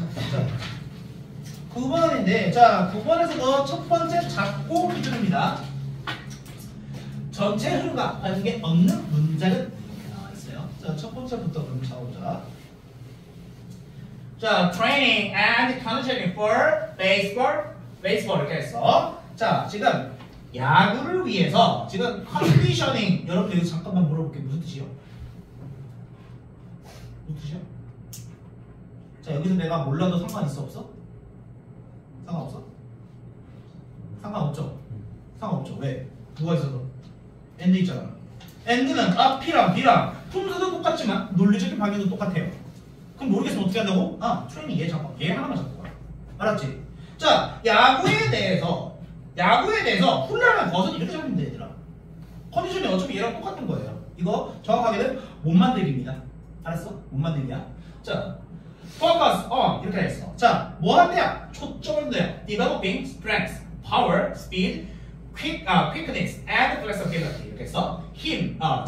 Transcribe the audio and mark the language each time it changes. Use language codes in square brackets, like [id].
[ko] 자, 9번인데, 자, 9번에서도 첫 번째 잡고 기준입니다. 전체 흐름과 관계 없는 문장은 이렇게 나와 있어요. 자, 첫 번째부터 그럼 잡아보자. [en] 자, training and conditioning for baseball 이렇게 했어. [ko] 자, 지금. 야구를 위해서 지금 컨디셔닝 여러분 여기 잠깐만 물어볼게 무슨 뜻이요? 무슨 뜻이요? 자 여기서 내가 몰라도 상관있어 없어? 상관없어? 상관없죠? 상관없죠? 왜? 누가 있어서? 앤드 있잖아. 앤드는 앞이랑 뒤랑 품사도 똑같지만 논리적인 방향도 똑같아요. 그럼 모르겠으면 어떻게 한다고? 아 트레이닝 얘 잡아 얘 하나만 잡고 가 알았지? 자 야구에 대해서 훈련하는 것은 이렇게 잡는데 얘들아 컨디션이 어차피 얘랑 똑같은 거예요. 이거 정확하게는 못 만들기입니다. 알았어? 못 만들기야. 자, focus on 이렇게 했어. 자, 뭐 한대야? 초점을 둬요. [en] Developing strength, power, speed, quickness, and flexibility 이렇게 했어. 힘,